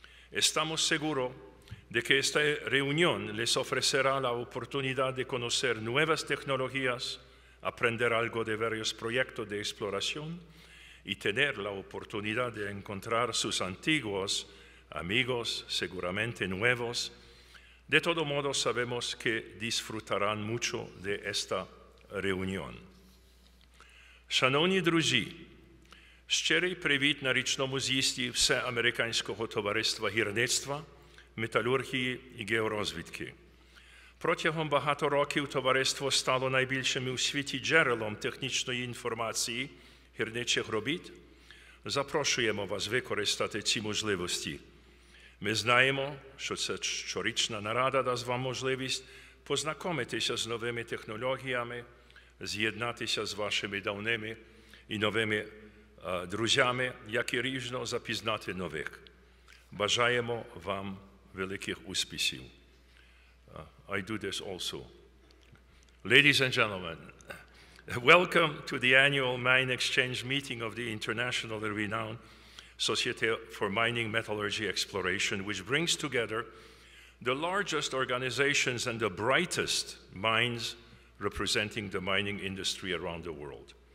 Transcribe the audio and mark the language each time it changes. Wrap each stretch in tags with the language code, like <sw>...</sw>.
<es>Estamos seguros de que esta reunión les ofrecerá la oportunidad de conocer nuevas tecnologías, aprender algo de varios proyectos de exploración y tener la oportunidad de encontrar sus antiguos amigos, seguramente nuevos. De todo modo, sabemos que disfrutarán mucho de esta reunión.</es> <uk>Шановні друзі, щирий привіт на річному з'їзді Всеамериканського товариства гірництва, металургії і георозвідки. Протягом багато років товариство стало найбільшим у світі джерелом технічної інформації гірничих робіт. Запрошуємо вас використати ці можливості. Ми знаємо, що ця щорічна нарада дасть вам можливість познайомитися з новими технологіями, з'єднатися з вашими давніми і новими друзями, як і ріжно запізнати нових. Бажаємо вам великих успіхів.</uk> <en>I do this also. Ladies and gentlemen, welcome to the annual Mine Exchange meeting of the internationally renowned Société for Mining Metallurgy Exploration, which brings together the largest organizations and the brightest minds representing the mining industry around the world.</en>